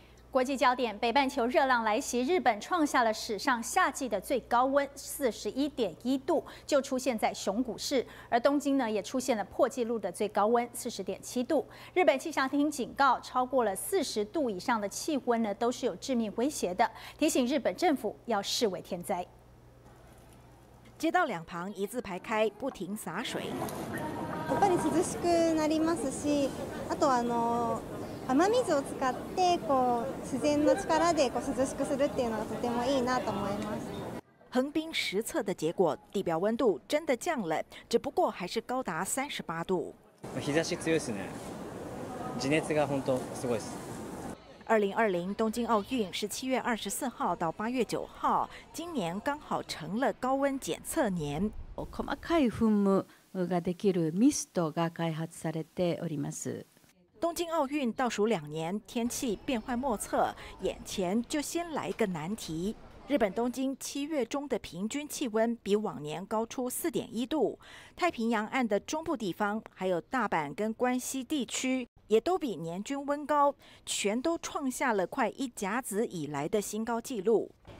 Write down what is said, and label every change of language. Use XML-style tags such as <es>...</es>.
<zh>国际焦点，北半球热浪来袭，日本创下了史上夏季的最高温 41.1 度，就出现在熊谷市，而东京呢也出现了破纪录的最高温 40.7 度。日本气象厅警告，超过了40度以上的气温呢都是有致命威胁的，提醒日本政府要视为天灾。街道两旁一字排开，不停洒水。</zh> <ja>やっぱり涼しくなりますし、あとあの雨水を使ってこう自然の力でこう涼しくするっていうのがとてもいいなと思います。</ja> <zh>横滨实测的结果，地表温度真的降了，只不过还是高达38度。</zh> <ja>日差し強いですね。地熱が本当すごいです。</ja> <zh>2020东京奥运是7月24号到8月9号，今年刚好成了高温检测年。</zh> <ja>細かい噴霧ができるミストが開発されております。</ja> <zh>东京奥运倒数两年，天气变幻莫测，眼前就先来个难题。日本东京七月中的平均气温比往年高出4.1度，太平洋岸的中部地方，还有大阪跟关西地区，也都比年均温高，全都创下了快一甲子以来的新高纪录。</zh>